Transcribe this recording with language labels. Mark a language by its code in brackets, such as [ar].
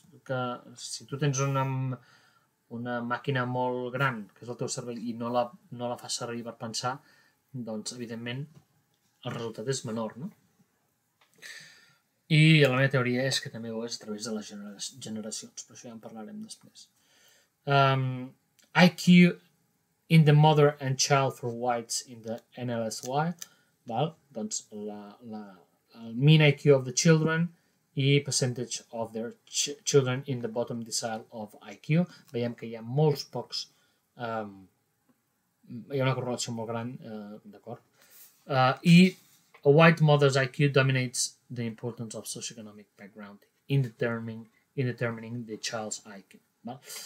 [ca] Que si tu tens una màquina molt gran, que és el teu cervell, i no la fas servir per pensar, doncs, evidentment, el resultat és menor, no? I la meva teoria és que també ho és a través de les generacions, però això ja en parlarem després. [en] IQ in the mother and child for whites in the NLSY, [ca] val? Doncs el [en] mean IQ of the children i percentage of their children in the bottom decile of IQ. [ca] Veiem que hi ha molts pocs, hi ha una correlació molt gran, d'acord? [en] I a white mother's IQ dominates the importance of socioeconomic background in determining the child's IQ. [ca] Val?